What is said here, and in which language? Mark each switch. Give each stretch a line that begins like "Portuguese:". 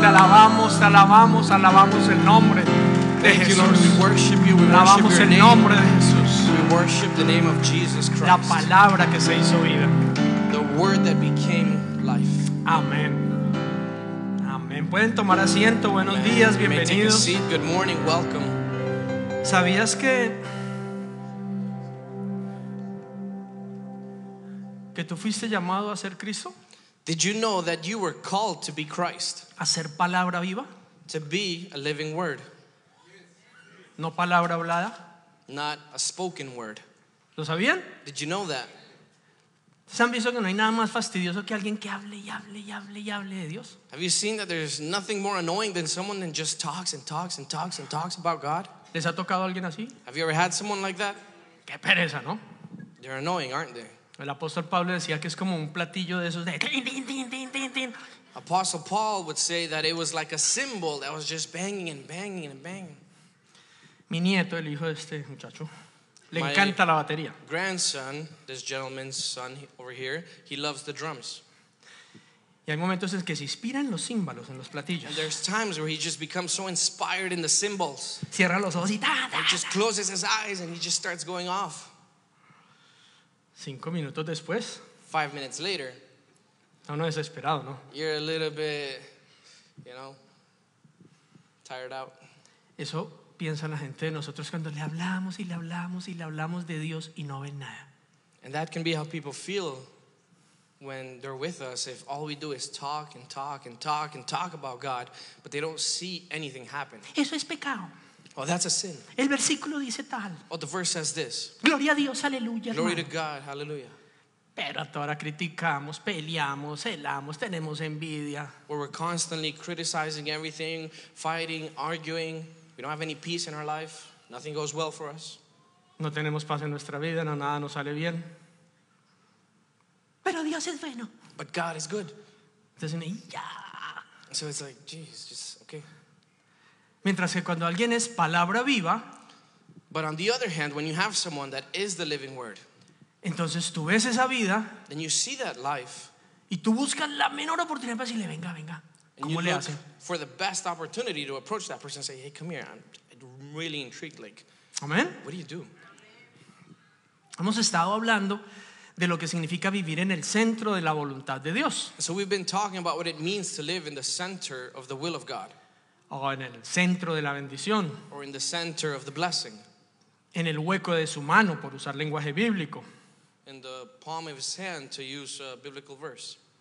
Spanish: Te alabamos, te alabamos, alabamos el nombre.
English: Thank you, Lord. We worship you. We worship your name. We worship the name of Jesus Christ.
Spanish: La palabra que se hizo vida.
English: The word that became life.
Spanish: Amen. Amen. Pueden tomar asiento. Buenos días. Bienvenidos.
English: Take a seat. Good morning. Welcome.
Spanish: ¿Sabías que tú fuiste llamado a ser Cristo?
English: Did you know that you were called to be Christ?
Spanish: A ser palabra viva.
English: To be a living word.
Spanish: No palabra hablada.
English: Not a spoken word.
Spanish: ¿Lo sabían?
English: Did you know that?
Spanish: ¿Se han visto que no hay nada más fastidioso que alguien que hable y hable y hable y hable de Dios?
English: Have you seen that there's nothing more annoying than someone that just talks and talks and talks and talks about God?
Spanish: ¿Les ha tocado alguien así?
English: Have you ever had someone like that?
Spanish: Qué pereza, ¿no?
English: They're annoying, aren't they?
Spanish: El apóstol Pablo decía que es como un platillo de esos de tin, tin, tin, tin, tin, tin.
English: Apostle Paul would say that it was like a cymbal that was just banging and banging and banging.
Spanish: Mi nieto, el hijo de este muchacho, le encanta la batería.
English: My grandson, this gentleman's son over here, he loves the drums.
Spanish: Y hay momentos en que se inspira en los címbalos, en los platillos.
English: And there's times where he just becomes so inspired in the cymbals.
Spanish: Cierra los ojos y ta, ta, ta.
English: He just closes his eyes and he just starts going off.
Spanish: 5 minutos después.
English: 5 minutes later.
Spanish: No, no, desesperado, ¿no?
English: You're a little bit, you know, tired out.
Spanish: Eso piensa la gente de nosotros cuando le hablamos y le hablamos y le hablamos de Dios y no ven nada.
English: And that can be how people feel when they're with us, if all we do is talk and talk and talk and talk about God, but they don't see anything happen.
Spanish: Eso es pecado.
English: Oh, that's a sin.
Spanish: El versículo dice tal.
English: Oh, the verse says this.
Spanish: Gloria a Dios, aleluya,
English: glory
Spanish: hermano.
English: To God, hallelujah.
Spanish: Pero ahora criticamos, peleamos, celamos, tenemos envidia.
English: Where we're constantly criticizing everything, fighting, arguing. We don't have any peace in our life. Nothing goes well for us.
Spanish: No tenemos paz en nuestra vida, no, nada nos sale bien. Pero Dios es bueno.
English: But God is good.
Spanish: Entonces,
English: yeah. So it's like, geez, just, okay.
Spanish: Mientras que cuando alguien es palabra viva.
English: But on the other hand, when you have someone that is the living word.
Spanish: Entonces tú ves esa vida.
English: Then you see that life.
Spanish: Y tú buscas la menor oportunidad para decirle, venga, venga. ¿Cómo le hacen?
English: For the best opportunity to approach that person and say, hey, come here, I'm really intrigued. Like, amen. What do you do?
Spanish: Hemos estado hablando de lo que significa vivir en el centro de la voluntad de Dios.
English: So we've been talking about what it means to live in the center of the will of God.
Spanish: O en el centro de la bendición.
English: Or in the center of the blessing.
Spanish: En el hueco de su mano, por usar lenguaje bíblico.
English: In the palm of his hand to use a biblical verse.